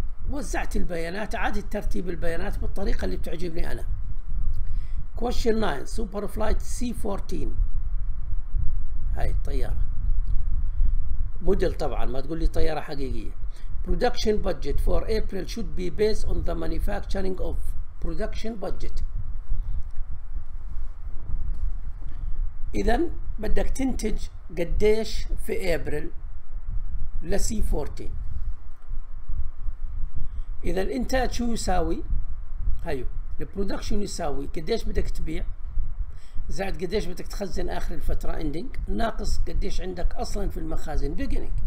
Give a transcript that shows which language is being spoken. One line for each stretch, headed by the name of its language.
Arabic: وزعت البيانات، عادت ترتيب البيانات بالطريقة اللي بتعجبني أنا. Question 9 سوبر فلايت C14، هاي الطيارة موديل طبعا، ما تقول لي طيارة حقيقية.
English: Production budget for April should be based on the manufacturing of production budget.
Arabic: إذا بدك تنتج قديش في أبريل لسي 14. إذا الإنتاج شو يساوي؟ هيو البرودكشن يساوي قديش بدك تبيع زائد قديش بدك تخزن آخر الفترة إندينج ناقص قديش عندك أصلا في المخازن بيجينينج.